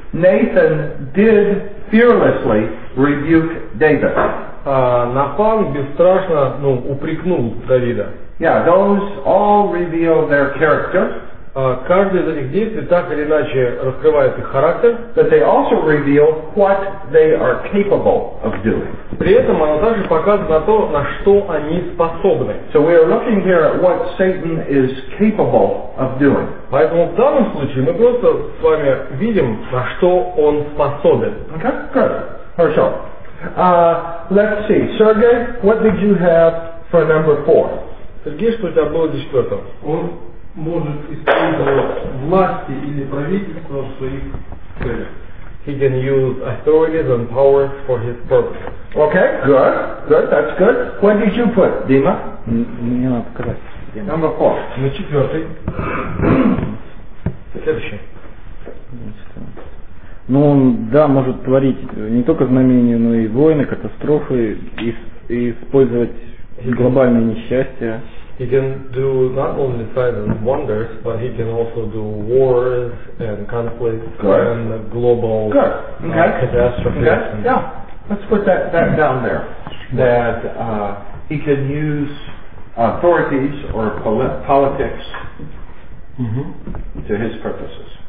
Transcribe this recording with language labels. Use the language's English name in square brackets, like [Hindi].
[English] Nathan did fearlessly rebuke David. [Russian] Нафан бесстрашно, упрекнул Давида. [English] Yeah, those all reveal their character. [Russian] Каждое из этих действий так или иначе раскрывает их характер. [English] But they also reveal what they are capable of doing. [Russian] При этом оно также показывает на то, на что они способны. [English] So we are looking here at what Satan is capable of doing. [Russian] Поэтому в данном случае мы просто с вами видим, на что он способен. [English] Okay, good. Хорошо. Let's see. Sergey, what did you have for number four? [Russian] Сергей, что у тебя было за четвертым? Он может использовать власти или правительство в своих целях. [English] He can use authorities and power for his purpose. Okay, good. Good, that's good. What did you put, Dima? [Russian] Не надо показать. [English] Number four. [Russian] На четвертый. Следующий. Ну, он, да, может творить не только знамения, но и войны, катастрофы, и использовать глобальные несчастья. [English] He can do not only signs and wonders, but he can also do wars and conflicts and global catastrophes. Good. Okay. Yeah. Let's put that down there. That he can use authorities or politics to his purposes.